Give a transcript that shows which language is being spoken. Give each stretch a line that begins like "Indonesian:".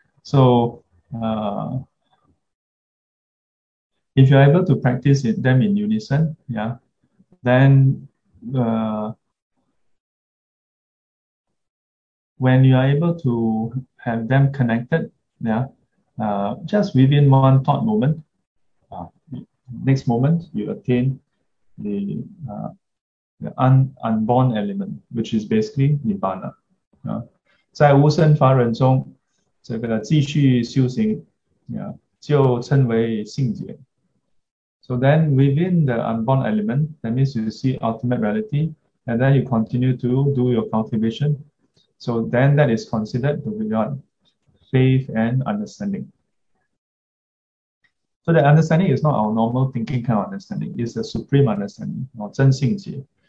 English: So, if you are able to practice them in unison, yeah, then, when you are able to have them connected, yeah, just within one thought moment, next moment you attain the unborn element, which is basically Nibbana. Yeah.
Chinese: 在无生法忍中,这个继续修行, yeah,就称为性解.
English: So then within the unborn element, that means you see ultimate reality, and then you continue to do your cultivation, So then that is considered the beyond faith and understanding. So the understanding is not our normal thinking kind of understanding, it's the supreme understanding, or 真性解.